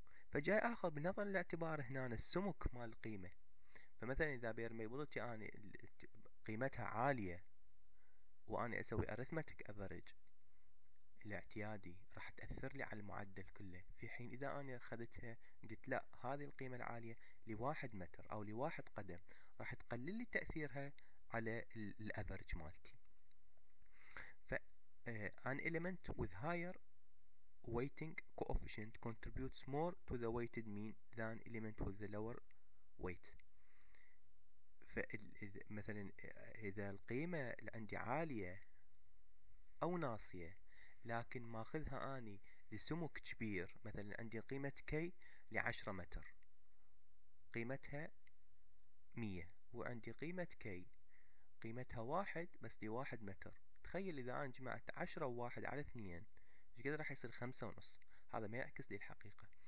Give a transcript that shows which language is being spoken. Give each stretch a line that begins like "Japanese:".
Arabic: فجاي اخذ بنظر الاعتبار هنا السمك مال القيمه، فمثلا اذا بيرميبلتي انا قيمتها عاليه وأنا أسوي
English: arithmetic average
Arabic: الاعتيادي راح تأثر لي على المعدل كله، في حين إذا أنا أخذتها قلت لا هذه القيمة العالية لواحد متر أو لواحد قدم راح تقلل لي تأثيرها على الـ average مالتي.
English: فأن element with higher weighting coefficient contributes more to the weighted mean than element with the lower weight.
Arabic: مثلا إذا القيمة اللي عندي عالية أو ناصية لكن ما أخذها أني لسمك كبير، مثلا عندي قيمة كي لعشرة متر قيمتها 100 وعندي قيمة كي قيمتها 1 بس لواحد متر، تخيل إذا أنا جمعت 10 و1 على 2 شكذا راح يصير 5.5، هذا ما يعكس لي الحقيقة.